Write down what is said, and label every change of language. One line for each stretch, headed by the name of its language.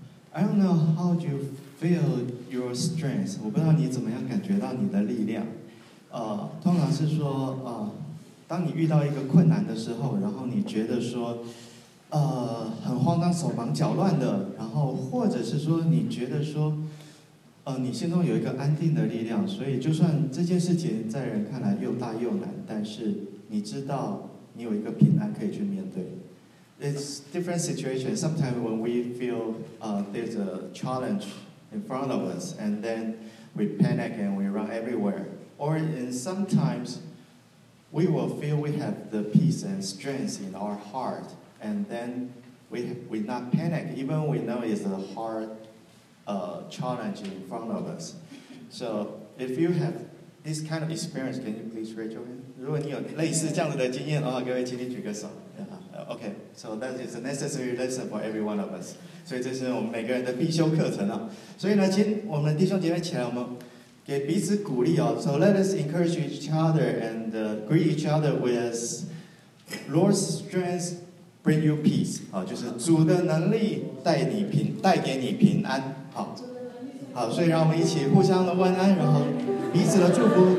English: I don't know how you feel your strength.
Chinese: 我不知道你怎么样感觉到你的力量。通常是说，当你遇到一个困难的时候，然后你觉得说，很慌张、手忙脚乱的，然后或者是说你觉得说，你心中有一个安定的力量，所以就算这件事情在人看来又大又难，但是你知道你有一个平安可以去面对。
English: It's different situation. Sometimes when we feel there's a challenge in front of us, and then we panic and we run everywhere. Or in sometimes we will feel we have the peace and strength in our heart, and then we not panic, even we know it's a hard challenge in front of us. So if you have this kind of experience, can you please raise your hand?
Chinese: 如果你有类似这样子的经验的话，各位请你举个手。
English: Okay, so that is a necessary lesson for every one of us.
Chinese: 所以这是我们每个人的必修课程啊。所以呢，请我们弟兄姐妹起来，我们给彼此鼓励哦。
English: So let us encourage each other and greet each other with Lord's strength bring you peace.
Chinese: 好，就是主的能力带给你平安。好，所以让我们一起互相的问安，然后彼此的祝福。